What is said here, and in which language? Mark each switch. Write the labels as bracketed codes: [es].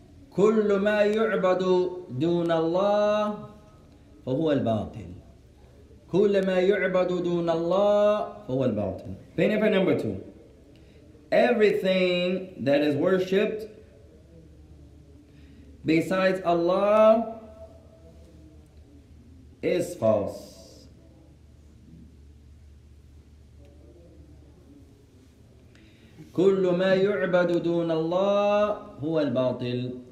[ar] كل ما يعبد دون الله فهو الباطل. كل ما يعبد دون الله فهو الباطل. [en] Benefit number two. Everything that is worshipped besides Allah is false. [ar] كل ما يعبد دون الله هو الباطل.